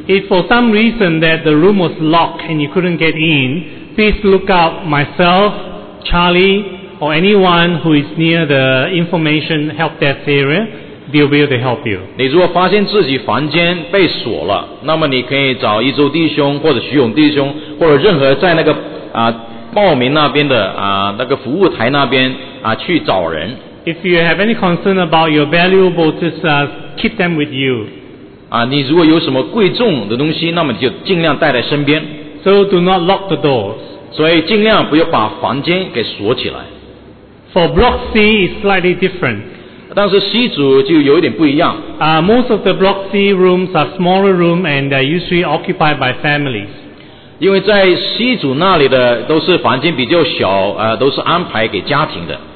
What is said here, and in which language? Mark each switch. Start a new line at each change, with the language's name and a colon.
English: If for some reason that the room was locked and you couldn't get in, please look up myself, Charlie, or anyone who is near the information help desk area. They'll be able to help you.
Chinese: 你如果发现自己房间被锁了, 那么你可以找一周弟兄或者徐勇弟兄, 或者任何在那个, 报名那边的, 那个服务台那边, 去找人。
English: If you have any concern about your valuables, just keep them with you.
Chinese: 你如果有什么贵重的东西, 那么就尽量带在身边。
English: So do not lock the doors.
Chinese: 所以尽量不要把房间给锁起来。
English: For Block C is slightly different.
Chinese: 但是C组就有点不一样。
English: Most of the Block C rooms are smaller rooms and they're usually occupied by families.
Chinese: 因为在C组那里的都是房间比较小, 都是安排给家庭的。